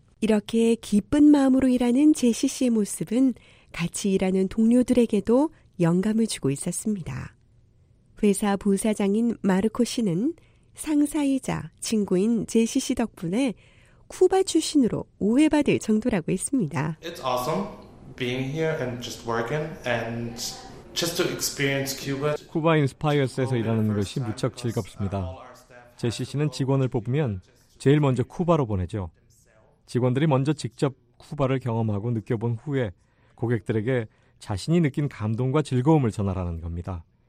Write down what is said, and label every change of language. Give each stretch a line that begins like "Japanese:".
Korean: 이렇게 기쁜 마음으로 일하는 제시 씨의 모습은 같이 일하는 동료들에게도 영감을 주고 있었습니다. 회사 부사장인 마르코 씨는 상사이자 친구인 제시 씨 덕분에 쿠바 출신으로 오해받을 정도라고 했습니다.
English: It's awesome being here and just working and just to experience Cuba.
Korean: 쿠바 인스파이어스에서 일하는 것이 무척 즐겁습니다. 제시 씨는 직원을 뽑으면 제일 먼저 쿠바로 보내죠. 직원들이 먼저 직접 쿠바를 경험하고 느껴본 후에 고객들에게 자신이 느낀 감동과 즐거움을 전하라는 겁니다.